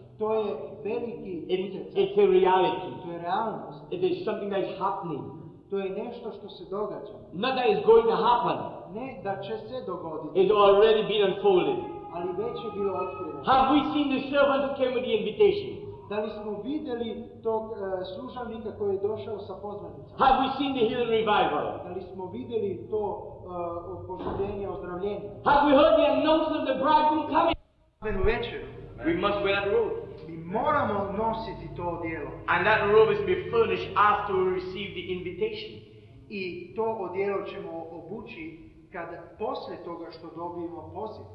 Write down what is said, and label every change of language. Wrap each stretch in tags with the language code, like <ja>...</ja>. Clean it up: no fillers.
<hr>To je veliki utjecaj.</hr> <en>It's a reality.</en> <hr>To je realnost.</hr> <en>It is something that is happening.</en> <hr>To je nešto što se događa.</hr> <en>Not that it's going to happen.</en> <hr>Ne da će se dogoditi.</hr> <en>It's already been unfolded.</en> <hr>Ali već je bilo otkriveno.</hr> <en>Have we seen the servant who came with the invitation?</en> <hr>Da li smo vidjeli tog služanika koji je došao sa pozvanicom?</hr> <en>Have we seen the healing revival?</en> <hr>Da li smo vidjeli to oživljenje, ozdravljenje?</hr> <en>Have we heard the announcement of the bridegroom coming?</en> <hr>Svadbenu večer.</hr> <en>We must wear that robe.</en> <hr>Mi moramo nositi to odijelo.</hr> <en>And that robe is to be furnished after we receive the invitation.</en> <hr>I to odijelo ćemo obući kada posle toga što dobijemo poziv.</hr>